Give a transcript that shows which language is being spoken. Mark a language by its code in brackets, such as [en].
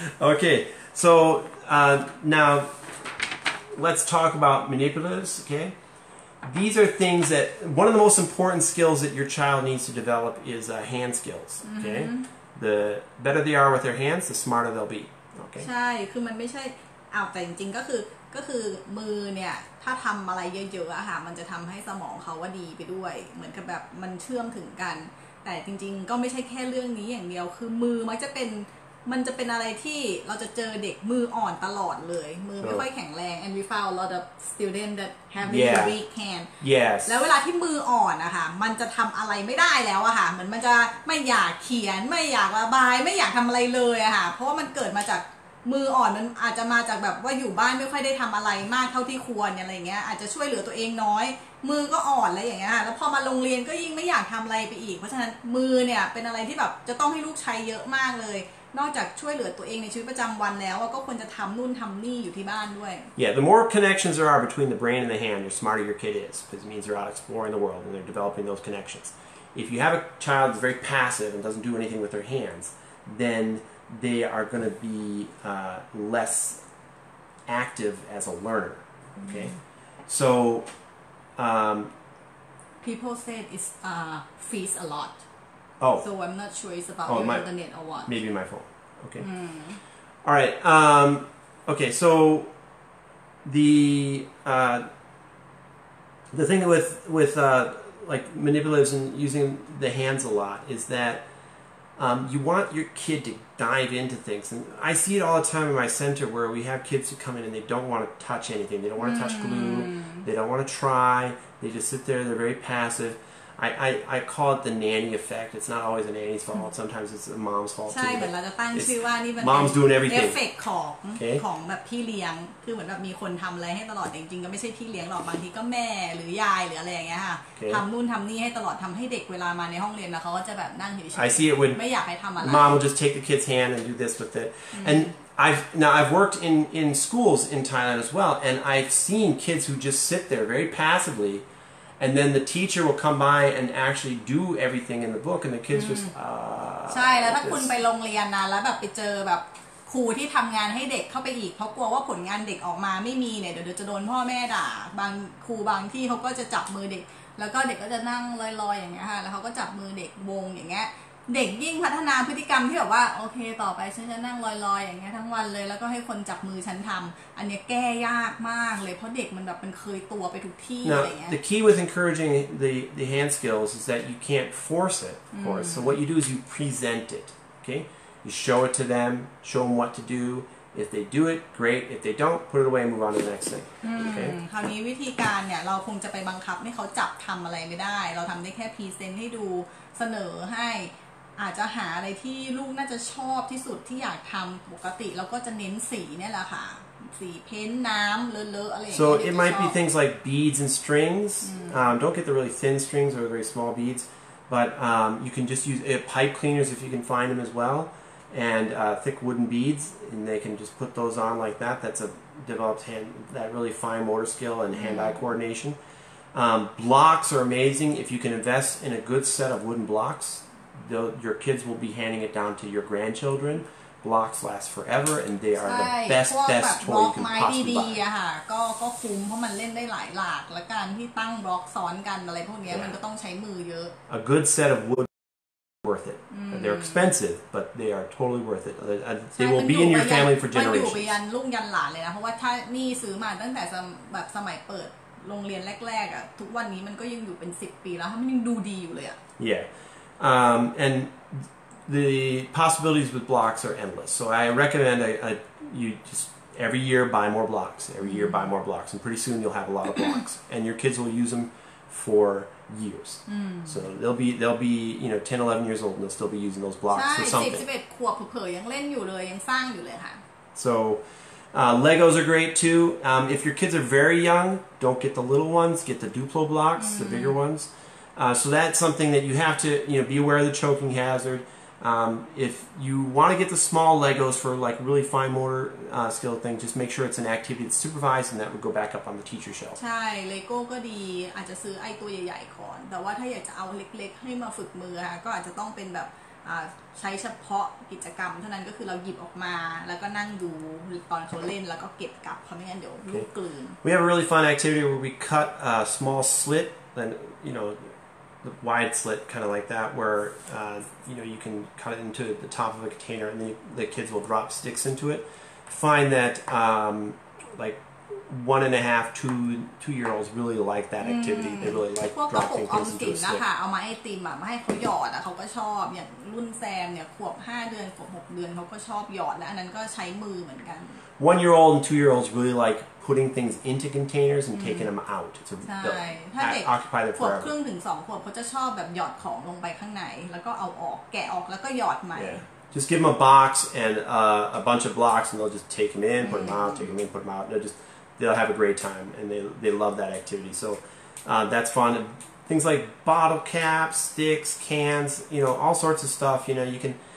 [en] Okay, so now let's talk about manipulatives, okay? These are things that, one of the most important skills that your child needs to develop is hand skills, okay? The better they are with their hands, the smarter they'll be, okay? [th] ใช่คือมันไม่ใช่อ้าวแต่จริงๆก็คือมือเนี่ยถ้าทำอะไรเยอะๆอะค่ะมันจะทำให้สมองเขาว่าดีไปด้วยเหมือนกับแบบมันเชื่อมถึงกันแต่จริงๆก็ไม่ใช่แค่เรื่องนี้อย่างเดียวคือมือมันจะเป็นอะไรที่เราจะเจอเด็กมืออ่อนตลอดเลยมือไม่ค่อยแข็งแรง [en] and we found a lot of students that have a weak hand yes [th] แล้วเวลาที่มืออ่อนนะคะมันจะทำอะไรไม่ได้แล้วอะค่ะเหมือนมันจะไม่อยากเขียนไม่อยากระบายไม่อยากทำอะไรเลยอะค่ะเพราะว่ามันเกิดมาจากมืออ่อนมันอาจจะมาจากแบบว่าอยู่บ้านไม่ค่อยได้ทำอะไรมากเท่าที่ควรอะไรเงี้ยอาจจะช่วยเหลือตัวเองน้อยมือก็อ่อนแล้วอย่างเงี้ยแล้วพอมาโรงเรียนก็ยิ่งไม่อยากทำอะไรไปอีกเพราะฉะนั้นมือเนี่ยเป็นอะไรที่แบบจะต้องให้ลูกใช้เยอะมากเลยนอกจากช่วยเหลือตัวเองในชีวิตประจำวันแล้วก็ควรจะทำนู่นทำนี่อยู่ที่บ้านด้วย [en] Yeah, the more connections there are between the brain and the hand, the smarter your kid is, because it means they're out exploring the world and they're developing those connections. If you have a child that's very passive and doesn't do anything with their hands, thenthey are going to be less active as a learner, okay? So, people said it's freeze a lot. Oh. So I'm not sure it's about the internet or what. Maybe my phone, okay. Mm. All right, okay, so the thing with manipulatives and using the hands a lot is that you want your kid to dive into things. And I see it all the time in my center where we have kids who come in and they don't want to touch anything. They don't want to touch glue. They don't want to try. They just sit there. They're very passive. I call it the nanny effect. It's not always a nanny's fault. Sometimes it's a mom's fault, too. [th] ใช่ เหมือนเราจะตั้งชื่อว่านี่มัน [en] Mom's doing everything. [th] Effect ของแบบพี่เลี้ยงคือเหมือนแบบมีคนทำอะไรให้ตลอดจริงๆก็ไม่ใช่พี่เลี้ยงหรอกบางทีก็แม่หรือยายหรืออะไรอย่างเงี้ยค่ะทำนู่นทำนี่ให้ตลอดทำให้เด็กเวลามาในห้องเรียนแล้วเขาก็จะแบบนั่งเฉยๆ [en] I see it when [th] ไม่อยากให้ทำอะไร [en] Mom will just take the kid's hand and do this with it. And I've worked in schools in Thailand as well, and I've seen kids who just sit there very passively. And then the teacher will come by and actually do everything in the book, and the kids just. [th] ใช่แล้วถ้าคุณไปโรงเรียนนะแล้วแบบไปเจอแบบครูที่ทำงานให้เด็กเข้าไปอีกเพราะกลัวว่าผลงานเด็กออกมาไม่มีเนี่ยเดี๋ยวจะโดนพ่อแม่ด่าบางครูบางที่เขาก็จะจับมือเด็กแล้วก็เด็กก็จะนั่งลอยๆ อย่างเงี้ยค่ะแล้วเขาก็จับมือเด็กวงอย่างเงี้ยเด็กยิ่งพัฒนาพฤติกรรมที่แบบว่าโอเคต่อไปฉันจะนั่งลอยๆ อย่างเงี้ยทั้งวันเลยแล้วก็ให้คนจับมือฉันทำอันเนี้ยแก้ยากมากเลยเพราะเด็กมันแบบมันเคยตัวไปทุกที่ [en] Now, อ [th] ะไรเงี้ย [en] The key with encouraging the hand skills is that you can't force it of course. So what you do is you present it. Okay, you show it to them, show them what to do. If they do it, great. If they don't, put it away and move on to the next thing. [th] คราวนี้วิธีการเนี่ยเราคงจะไปบังคับให้เขาจับทำอะไรไม่ได้เราทำได้แค่ present ให้ดูเสนอให้อาจจะหาอะไรที่ลูกน่าจะชอบที่สุดที่อยากทำปกติแล้วก็จะเน้นสีเนี่ยแหละค่ะสีเพ้นน้ำเลอะๆอะไร [en] So it might be things like beads and strings. Don't get the really thin strings or the very small beads, but you can just use pipe cleaners if you can find them as well, and thick wooden beads, and they can just put those on like that. That's a developed hand that really fine motor skill and hand-eye coordination. Blocks are amazing if you can invest in a good set of wooden blocks. Your kids will be handing it down to your grandchildren. Blocks last forever, and they are the best toy you can possibly buy. [th] ใช่ พวกแบบบล็อกไม้ดีๆอะค่ะก็คุ้มเพราะมันเล่นได้หลายหลากและการที่ตั้งบล็อกซ้อนกันอะไรพวกนี้มันก็ต้องใช้มือเยอะ [en] A good set of wood worth it. They're expensive, but they are totally worth it. They will be in your family for generations. [th] มันอยู่ไปยันลูกยันหลานเลยนะเพราะว่าถ้านี่ซื้อมาตั้งแต่แบบสมัยเปิดโรงเรียนแรกๆอะทุกวันนี้มันก็ยังอยู่เป็น10ปีแล้วถ้ามันยังดูดีอยู่เลยอะ [en] Yeah. And the possibilities with blocks are endless. So I recommend you just every year buy more blocks. Every year buy more blocks, and pretty soon you'll have a lot of blocks, and your kids will use them for years. So they'll be you know 10, 11 years old, and they'll still be using those blocks for something. [th] ใช่ 11 ขวบเผลอยังเล่นอยู่เลยยังสร้างอยู่เลยค่ะ [en] So Legos are great too. If your kids are very young, don't get the little ones. Get the Duplo blocks, the bigger ones. So that's something that you have to, you know, be aware of the choking hazard. If you want to get the small Legos for like really fine motor skill thing, just make sure it's an activity that's supervised, and that would go back up on the teacher shelf. [th] ใช่ Lego ก็ดีอาจจะซื้อไอ้ตัวใหญ่ๆก่อนแต่ว่าถ้าอยากจะเอาเล็กๆให้มาฝึกมือค่ะก็อาจจะต้องเป็นแบบใช้เฉพาะกิจกรรมเท่านั้นก็คือเราหยิบออกมาแล้วก็นั่งดูตอนเขาเล่นแล้วก็เก็บกลับเพราะไม่งั้นเดี๋ยวลูกกลืน [en] We have a really fun activity where we cut a small slit, then you know. The wide slit, kind of like that, where you know you can cut it into the top of a container, and the kids will drop sticks into it. Find that like 1.5, 2 year olds really like that activity. They really like dropping things into a slit. [th] พวกกระปุกออมสินนะคะเอามาให้ติมอ่ะมาให้เขาหยอดอ่ะเขาก็ชอบอย่างรุ่นแซมเนี่ยขวบ5 เดือนขวบ6 เดือนเขาก็ชอบหยอดและอันนั้นก็ใช้มือเหมือนกัน [en] 1 year old and 2 year olds really like. Putting things into containers and taking them out to occupy them forever. [th] ขวบครึ่งถึงสองขวบเขาจะชอบแบบหยอดของลงไปข้างในแล้วก็เอาออกแกะออกแล้วก็หยอดใหม่ [en] Just give them a box and a bunch of blocks and they'll just take them in, put them out, take them in, put them out. They'll have a great time and they love that activity. So that's fun. Things like bottle caps, sticks, cans, you know, all sorts of stuff. You know, you can.